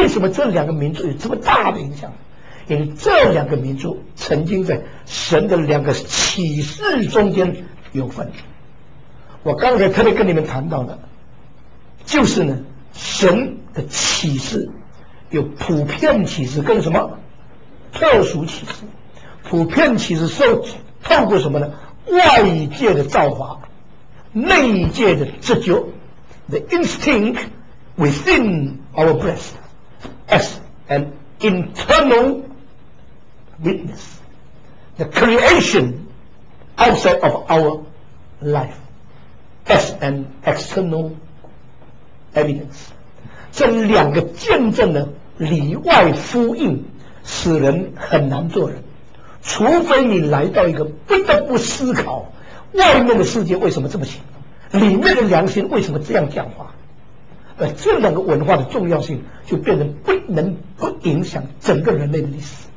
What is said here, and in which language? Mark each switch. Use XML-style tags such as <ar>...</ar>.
<zh>为什么这两个民族有这么大的影响？因为这两个民族曾经在神的两个启示中间有份。我刚才特别跟你们谈到的，就是呢，神的启示有普遍启示跟什么特殊启示。普遍启示是透过什么呢？外界的造化，内界的直觉，</zh> <en>The instinct within our breast as an internal witness, the creation outside of our life as an external evidence。</en> <zh>这两个见证呢，里外呼应，使人很难做人，除非你来到一个不得不思考外面的世界为什么这么行，里面的良心为什么这样讲话。而这两个文化的重要性就变成不能不影响整个人类的历史。</zh>